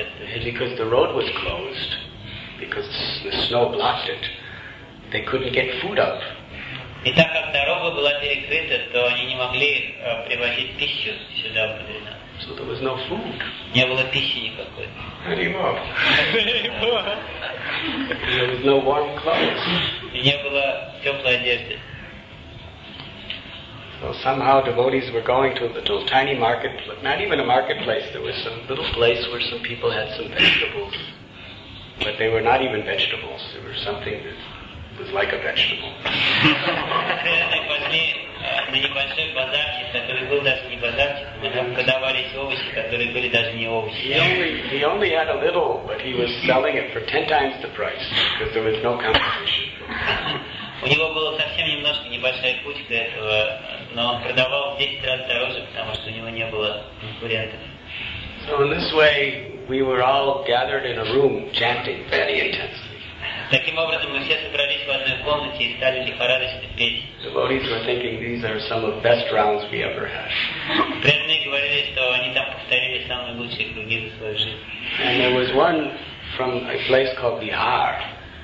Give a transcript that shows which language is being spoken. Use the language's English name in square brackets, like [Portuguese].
[English] And because the road was closed, because the snow blocked it, they couldn't get food up. [Russian] И так как дорога была перекрыта, то они не могли привозить пищу сюда, в Бадрина. [English] So there was no food. [Russian] Не было пищи никакой. [English] There was no warm clothes. [Russian] И не было теплой одежды. [English] So somehow devotees were going to a little tiny market, not even a marketplace, there was some little place where some people had some vegetables. But they were not even vegetables, they were something that was like a vegetable. He only had a little, but he was selling it for 10 times the price because there was no competition. [Russian] У него было совсем немножко небольшая кучка этого, но он продавал 10 раз дороже, потому что у него не было конкурентов. [English] So in this way, we were all gathered in a room chanting very intensely. [Russian] Таким образом, мы все собрались в одной комнате и стали лихорадочно петь. [English] Devotees were thinking these are some of the best rounds we ever had. [Russian] Преданные говорили, что они там повторили самые лучшие круги в своей жизни. [English] And there was one from a place called Bihar.